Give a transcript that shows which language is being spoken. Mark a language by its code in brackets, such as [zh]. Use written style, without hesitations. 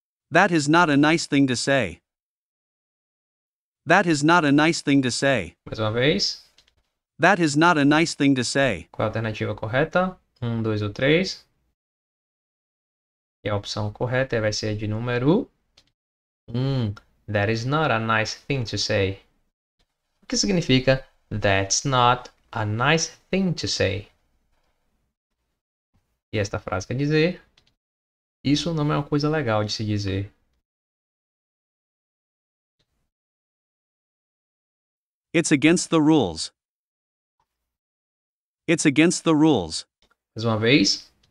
[en] That is not a nice thing to say. That is not a nice thing to say. [pt] Mais uma vez. [en] That is not a nice thing to say. [pt] Qual a alternativa correta? 1, 2 ou 3? E a opção correta vai ser de número... [en] that is not a nice thing to say. [pt] O que significa [en] that's not a nice thing to say? [pt] E esta frase quer dizer: isso não é uma coisa legal de se dizer. [en] It's against the rules. It's against the rules. [pt] Mais uma vez.